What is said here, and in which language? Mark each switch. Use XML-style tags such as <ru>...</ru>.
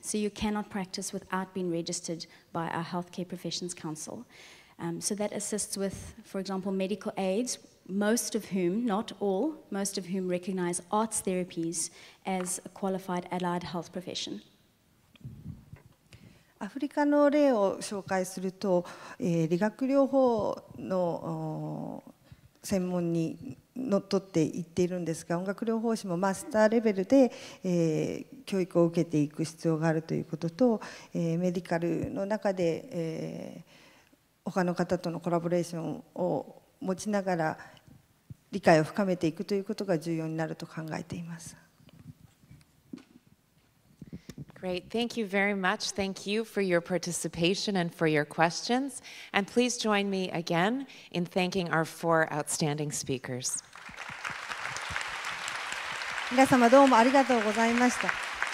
<en>So you cannot practice without being registered by our Healthcare Professions Council. So that assists with, for example, medical aides, most of whom, not all, most of whom recognize arts therapies as a qualified allied health profession.</en> <ja>アフリカの例を紹介すると、理学療法の専門にのっとって言っているんですが、音楽療法士もマスターレベルで、教育を受けていく必要があるということと、メディカルの中で、他の方とのコラボレーションを持ちながら理解を深めていくということが重要になると考えています。</ja> <en>Great. Thank you very much. Thank you for your participation and for your questions. And please join me again in thanking our four outstanding speakers.</en> <ja>皆様どうもありがとうございました。</ja>